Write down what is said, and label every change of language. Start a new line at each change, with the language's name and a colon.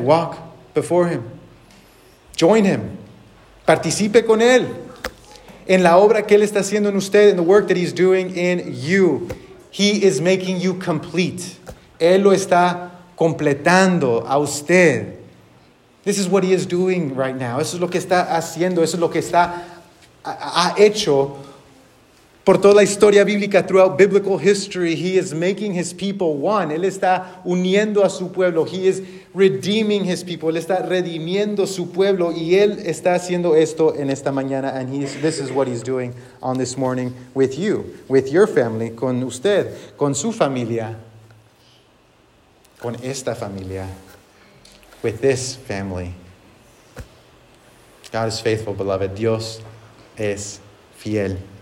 English: Walk before him. Join him.
Spanish: Participe con él. En la obra que él está haciendo en usted,
English: in the work that he's doing in you. He is making you complete.
Spanish: Él lo está completando a usted.
English: This is what he is doing right now.
Spanish: Eso es lo que está haciendo. Eso es lo que está ha hecho por toda la historia bíblica,
English: throughout biblical history. He is making his people one.
Spanish: Él está uniendo a su pueblo.
English: He is redeeming his people.
Spanish: Él está redimiendo su pueblo. Y él está haciendo esto en esta mañana.
English: And this is what he's doing on this morning with you, with your family,
Spanish: con usted, con su familia, con esta familia,
English: with this family. God is faithful, beloved.
Spanish: Dios es fiel.